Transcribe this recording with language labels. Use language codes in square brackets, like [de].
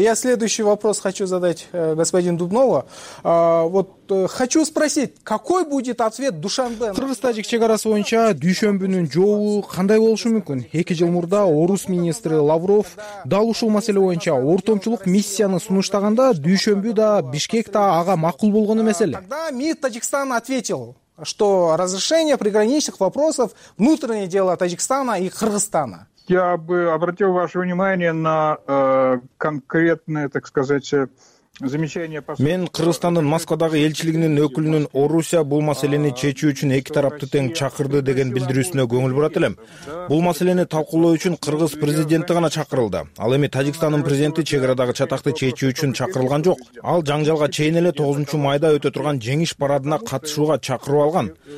[ru] Я следующий вопрос хочу задать господину Дубнову. Вот хочу спросить, какой будет ответ Душанбе? [ky] Кыргыз Тажик чек арасы боюнча дүйшөмбүнүн жообу кандай болушу мүмкүн? 2 жыл мурда орус министри Лавров дал ушул маселе боюнча ортомчулук миссияны сунуштаганда дүйшөмбү да Бишкек да ага макул болгону маселе. [ru] Тогда МИД Таджикистана ответил, что разрешение приграничных вопросов — внутреннее дело Таджикистана и Кыргызстана. Я бы обратил ваше внимание на конкретное, так сказать, замечание. [ky] Мен Кыргызстандын Москвадагы элчилигинин өкүлүнүн Орусия бул маселени чечүү үчүн эки тарапты тең чакырды деген билдирүүсүнө көңүл бурат элем. Бул маселени талкуулоо үчүн кыргыз президенти гана чакырылды. Ал эми Таджикстандын президенти чек арадагы чатакты чечүү үчүн чакырылган жок. Ал жаңжалга чейин эле 9 майда өтө турган жеңиш парадына катышууга чакырып алган.